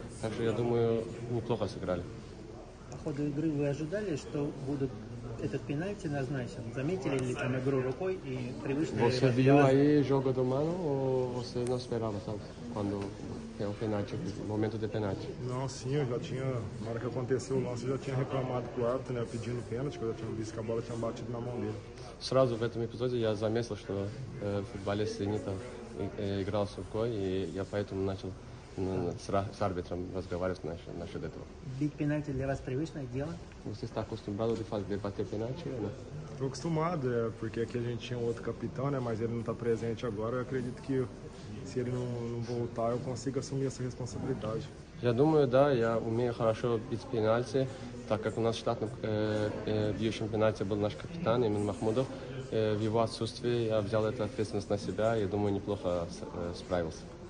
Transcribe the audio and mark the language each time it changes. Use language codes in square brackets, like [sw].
[ru] Так что я думаю, неплохо сыграли. По ходу игры вы ожидали, что будут этот пенальти назначен? Заметили ли там игру рукой и привычно? [pt] Você viu aí jogo do mano ou você não esperava, sabe? Quando é o penalti, momento de penalti. Não, sim, eu já tinha, na hora que aconteceu o lance, eu já tinha reclamado com o árbitro, né, pedindo pênalti, porque eu já tinha visto que a bola tinha batido na mão dele. [ru] Сразу в этом эпизоде я заметил, что футболист Зенита играл с рукой, и я поэтому начал с арбитром разговаривать насчет этого. Бить пенальти для вас привычное дело? Вы [pt] está acostumado de fazer bater penalti, né? Tô acostumado, porque aqui a gente tinha outro capitão, né, mas ele não está presente agora. Eu acredito que se ele não voltar, eu consigo assumir essa responsabilidade. [ru] Я думаю, да, я умею хорошо бить пенальти, так как у нас в штатном бьющем пенальти был наш капитан Эмин Махмудов. В его отсутствии я взял эту ответственность на себя и, думаю, неплохо справился.